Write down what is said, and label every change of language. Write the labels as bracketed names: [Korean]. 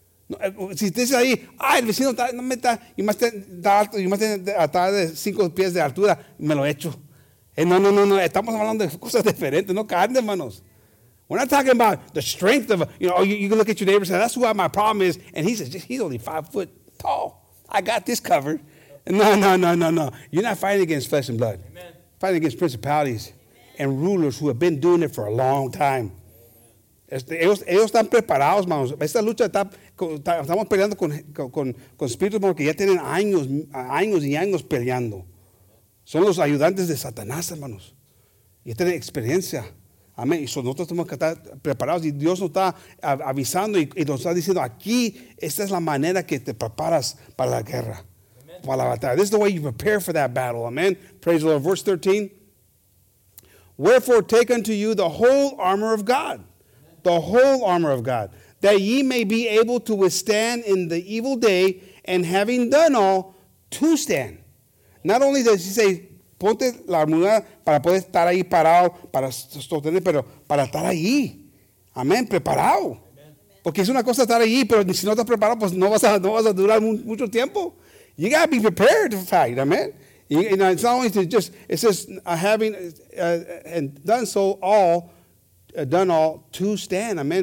[Spanish] Si usted dice ahí, ay, el vecino está, no me está, y más está alto, y más está de 5 pies de altura, me lo echo. No, estamos hablando de cosas diferentes, no carne, hermanos. [English] We're not talking about the strength of, you know, you can look at your neighbor and say, that's who my problem is, and he says, he's only 5 foot tall. I got this covered. No. You're not fighting against flesh and blood. Amen. Fighting against principalities and rulers who have been doing it for a long time. [Spanish] Ellos están preparados, hermanos. Esta lucha está. Estamos peleando con espíritus, hermanos, que ya tienen años y años peleando. Son los ayudantes de Satanás, hermanos. Y tienen experiencia. Amén. Y nosotros tenemos que estar preparados. Y Dios nos está avisando y nos está diciendo: aquí, esta es la manera que te preparas para la guerra. Amen. Para la batalla. [English] This is the way you prepare for that battle. [Spanish] Amén. [English] Praise the Lord. Verse 13: Wherefore take unto you the whole armor of God. The whole armor of God, that ye may be able to withstand in the evil day, and having done all, to stand. Not only does he say, [Spanish] ponte la armadura para poder estar ahí parado, para sostener, pero para estar ahí. Amén, preparado. Amen. Porque es una cosa estar ahí, pero si no estás preparado, pues no vas a durar mucho tiempo. [English] You got to be prepared to fight, amen. You know, it's not only to just, it says, having done all to stand, amen.